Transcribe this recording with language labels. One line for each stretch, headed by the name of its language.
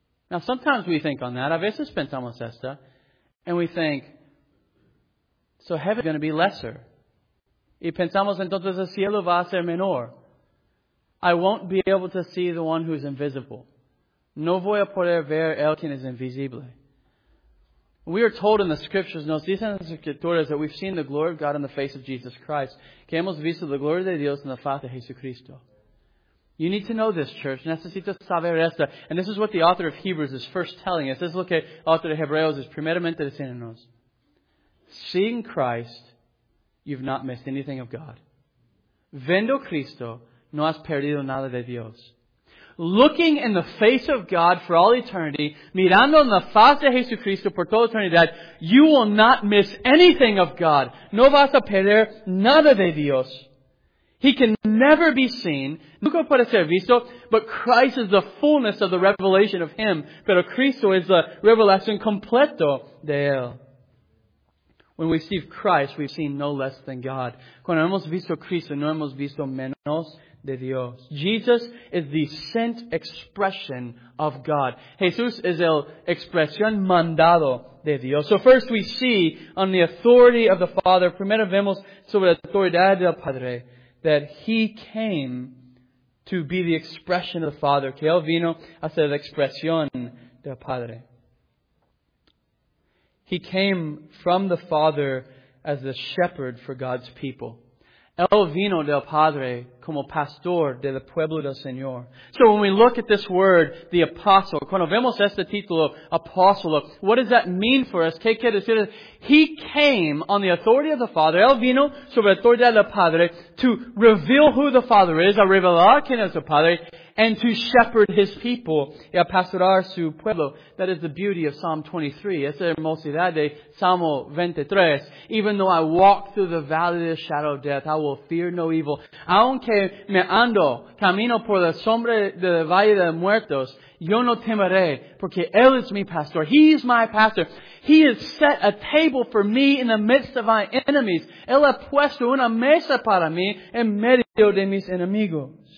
English: Now, sometimes we think on that.
Spanish: A veces pensamos esta.
English: And we think, so heaven is going to be lesser.
Spanish: Y pensamos entonces el cielo va a ser menor.
English: I won't be able to see the one who is invisible.
Spanish: No voy a poder ver el quien es invisible.
English: We are told in the scriptures,
Spanish: nos dicen las escrituras,
English: that we've seen the glory of God in the face of Jesus Christ.
Spanish: Que hemos visto la gloria de Dios en la faz de Jesucristo.
English: You need to know this, church.
Spanish: Necesito saber esto.
English: And this is what the author of Hebrews is first telling us. This is what the author of Hebreos is
Spanish: primeramente diciéndonos.
English: Seeing Christ, you've not missed anything of God.
Spanish: Viendo Cristo, no has perdido nada de Dios.
English: Looking in the face of God for all eternity,
Spanish: mirando en la faz de Jesucristo por toda eternidad,
English: you will not miss anything of God.
Spanish: No vas a perder nada de Dios.
English: He can never be seen.
Spanish: Nunca puede ser visto.
English: But Christ is the fullness of the revelation of Him.
Spanish: Pero Cristo es la revelación completo de Él.
English: When we see Christ, we've seen no less than God.
Spanish: Cuando hemos visto Cristo, no hemos visto menos de Dios.
English: Jesus is the sent expression of God.
Spanish: Jesús es el expresión mandado de Dios.
English: So first we see on the authority of the Father.
Spanish: Primero vemos sobre la autoridad del Padre.
English: That He came to be the expression of the Father.
Spanish: Que Él vino a ser la expresión del Padre.
English: He came from the Father as the shepherd for God's people.
Spanish: Él vino del Padre como pastor del pueblo del Señor.
English: So when we look at this word, the apostle,
Spanish: cuando vemos este título, apóstolo,
English: what does that mean for us?
Spanish: ¿Qué quiere decir?
English: He came on the authority of the Father.
Spanish: Él vino sobre la autoridad del Padre
English: to reveal who the Father is,
Spanish: a revelar quién es el Padre,
English: and to shepherd His people,
Spanish: y a pastorar su pueblo.
English: That is the beauty of Psalm 23.
Spanish: Esa hermosidad de Salmo 23.
English: Even though I walk through the valley of the shadow of death, I will fear no evil.
Spanish: Aunque me ando, camino por la sombra del valle de muertos, yo no temeré, porque Él es mi pastor.
English: He is my pastor. He has set a table for me in the midst of my enemies.
Spanish: Él ha puesto una mesa para mí en medio de mis enemigos.